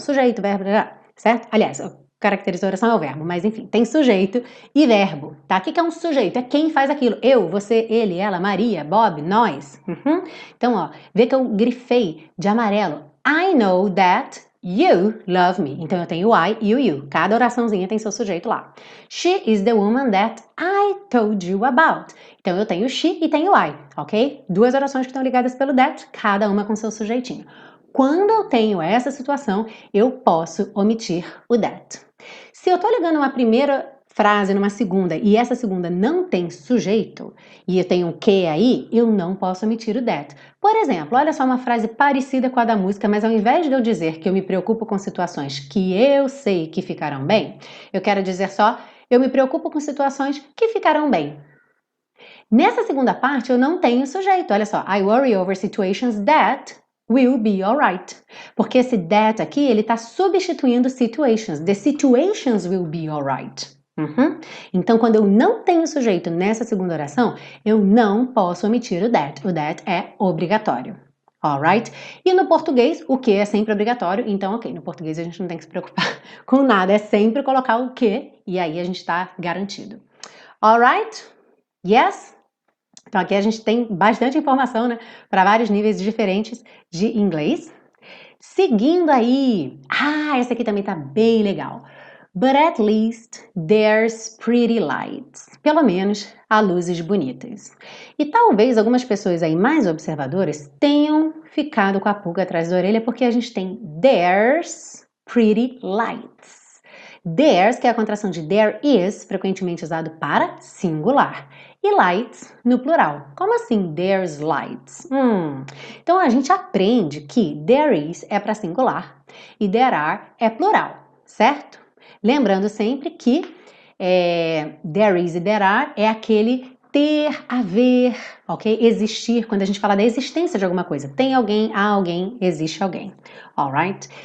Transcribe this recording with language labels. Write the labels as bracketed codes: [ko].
[pt] Sujeito, verbo, certo? Aliás, o que caracteriza a oração é o verbo, mas enfim, tem sujeito e verbo, tá? O que é um sujeito? É quem faz aquilo. Eu, você, ele, ela, Maria, Bob, nós. Então, ó, vê que eu grifei de amarelo. [en] I know that you love me. [pt] Então eu tenho o I e o you. Cada oraçãozinha tem seu sujeito lá. [en] She is the woman that I told you about. [pt] Então eu tenho she e tenho I, ok? Duas orações que estão ligadas pelo that, cada uma com seu sujeitinho. Quando eu tenho essa situação, eu posso omitir o that. Se eu estou ligando uma primeira frase numa segunda e essa segunda não tem sujeito e eu tenho um que aí, eu não posso omitir o that. Por exemplo, olha só uma frase parecida com a da música, mas ao invés de eu dizer que eu me preocupo com situações que eu sei que ficarão bem, eu quero dizer só eu me preocupo com situações que ficarão bem. Nessa segunda parte, eu não tenho sujeito. [en] Olha só, I worry over situations that will be alright. [pt] Porque esse that aqui, ele está substituindo situations. [en] The situations will be alright. [pt] Então, quando eu não tenho sujeito nessa segunda oração, eu não posso omitir o that. O that é obrigatório. [en] Alright? [pt] E no português, o que é sempre obrigatório. Então, ok, no português a gente não tem que se preocupar com nada. É sempre colocar o que e aí a gente está garantido. [en] Alright? Yes? [pt] Então, aqui a gente tem bastante informação, né, para vários níveis diferentes de inglês. Seguindo aí, essa aqui também tá bem legal. [en] But at least there's pretty lights. [pt] Pelo menos há luzes bonitas. E talvez algumas pessoas aí mais observadoras tenham ficado com a pulga atrás da orelha porque a gente tem [en] there's pretty lights. [pt] There's, que é a contração de there is, frequentemente usado para singular. E lights, no plural. Como assim, [en] there's lights? [pt] Então a gente aprende que there is é para singular e there are é plural, certo? Lembrando sempre que there is e there are é aquele ter, haver, ok? Existir, quando a gente fala da existência de alguma coisa. Tem alguém, há alguém, existe alguém. [en] Alright?